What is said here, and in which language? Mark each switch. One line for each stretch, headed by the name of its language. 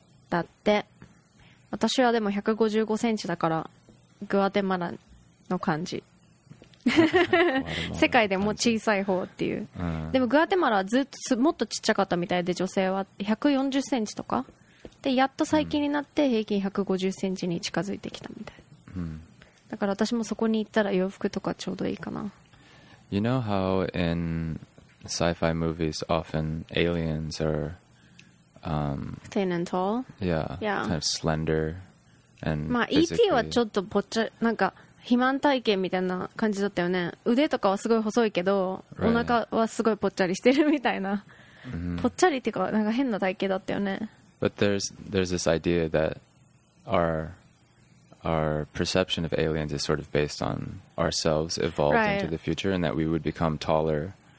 Japanese: だって私はでも155センチだからグアテマラの感じ世界でも小さい方っていう、でもグアテマラはずっともっとちっちゃかったみたいで、女性は140センチとかで、やっと最近になって平均150センチに近づいてきたみたい、だから私もそこに行ったら洋服とかちょうどいいかな。
English: You know how inSci-fi movies often aliens are thin and tall. Yeah, kind of slender and.
Japanese: まあ ET はちょっとぽっちゃなんか肥満体型みたいな感じだったよね。腕とかはすごい細いけど、お腹はすごいぽっちゃりしてるみたいな。ぽっちゃりっていうかなんか変な体型だったよね。
English: But there's this idea that our perception of aliens is sort of based on ourselves evolved into the future, and that we would become taller.